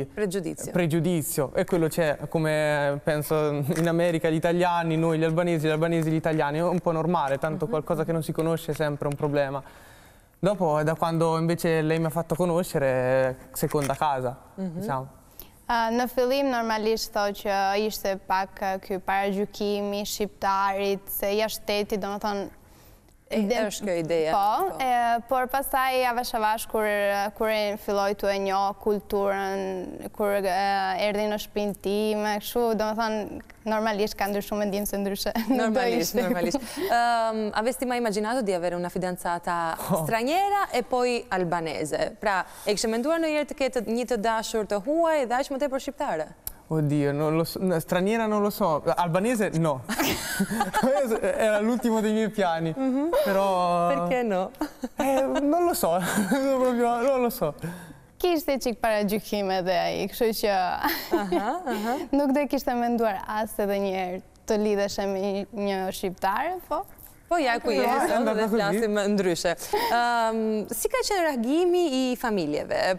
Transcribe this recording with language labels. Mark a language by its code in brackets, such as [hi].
[it] pregiudizio e quello c'è come penso in America gli italiani, noi gli albanesi gli italiani, è un po' normale, tanto qualcosa che non si conosce è sempre un problema. Dopo da quando invece lei mi ha fatto conoscere seconda casa, diciamo. [sq] Në fillim normalisht thotë që ishte pak ky paragjykimi shqiptarit se ja shteti, domethënë është kjo ideja. Po, por pastaj avash avash kur filloi të e njoh kulturën, kur erdhi në shtëpinë time, kështu, domethënë normalisht ka ndryshuar mendimin se ndryshe. Normalisht. [it] Avesti mai immaginato di avere una fidanzata straniera e poi albanese? [sq] Pra, e kishe menduar ndonjëherë të ketë një të dashur të huaj dhe aq më tepër shqiptare? [it] Oddio, non lo so, straniera non lo so, albanese no, era l'ultimo dei miei piani, però... Perché no? Non lo so, proprio non lo so. [sq] Kishte qik para gjykime dhe aji, kështu që nuk dhe kishte menduar asë edhe njerë të lidheshe me një shqiptarë, po? Po ja, ku jesë, dhe flasim ndryshe. Si ka qenë reagimi I familjeve?